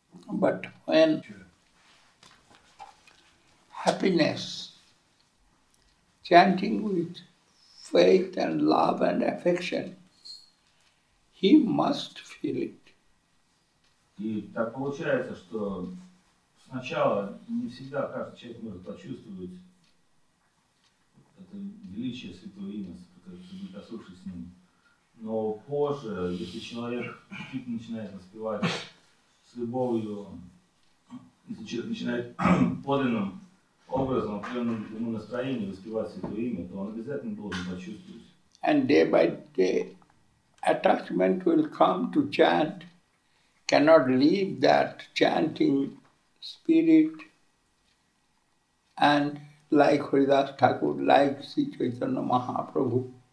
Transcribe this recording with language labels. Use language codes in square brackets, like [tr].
[en] But when happiness, chanting with faith and love and affection, he must feel it. [ru] И так получается, что сначала не всегда каждый человек может почувствовать это величие Святого Имя, соприкоснувшись с ним. Но позже, если человек начинает воспевать с любовью, если человек начинает подлинным образом, определенным ему настроением воспевать Святое Имя, то он обязательно должен почувствовать. [en] And day by day, attachment will come to chant, cannot leave that chanting spirit, and like Haridas Thakur, like Sri Chaitanya Mahaprabhu.